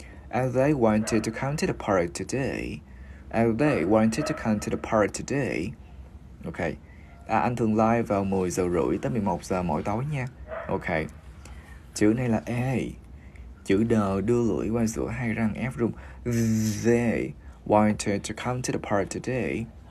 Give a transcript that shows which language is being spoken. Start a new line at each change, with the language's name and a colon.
English: And they wanted to come to the park today. And they wanted to come to the park today. Okay.
Vietnamese: À, anh thường live vào 10 giờ rưỡi tới 11 giờ mỗi tối nha. Okay. Chữ này là A. Chữ đờ đưa lưỡi qua giữa hai răng ép rung.
English: They wanted to come to the park today.